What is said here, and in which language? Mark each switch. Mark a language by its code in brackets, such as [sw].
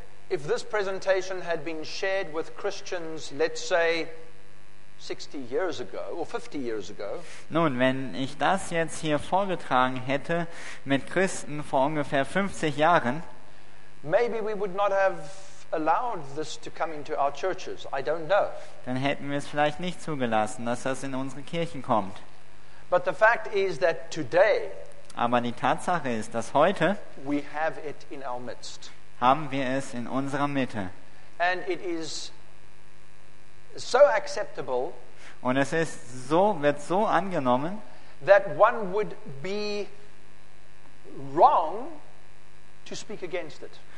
[en] If this presentation had been shared with Christians, let's say 60 years ago or 50 years ago. [de] Nun, wenn ich das jetzt hier vorgetragen hätte mit Christen vor ungefähr 50 Jahren, [en] maybe we would not have allowed this to come into our churches. I don't know. [de] Dann hätten wir es vielleicht nicht zugelassen, dass das in unsere Kirchen kommt. [en] But the fact is that today, [de] aber die Tatsache ist, dass heute, [en] we have it in our midst. [de] Haben wir es in unserer Mitte. [en] And it is so acceptable, [de] und es ist so, wird so angenommen, [en] that one would be wrong to speak against it.